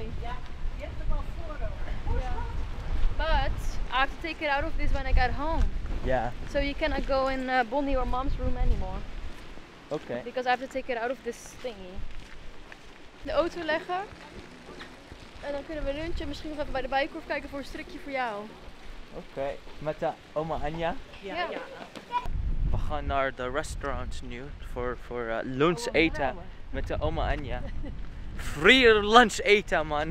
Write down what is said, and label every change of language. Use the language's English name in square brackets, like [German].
[Dutch] Ja, je hebt hem al voor, hoor. Ja. [English] But I have to take it out of this when I get home. Yeah. So you cannot go in Bonnie or mom's room anymore. Okay. Because I have to take it out of this thingy. [Dutch] De auto leggen. En dan kunnen we lunchen, misschien nog even bij de bijenkorf kijken voor een strikje voor jou. Oké, met de oma Anja? Ja. We gaan naar de restaurant nu voor lunch eten met de oma Anja. Free lunch eten, man.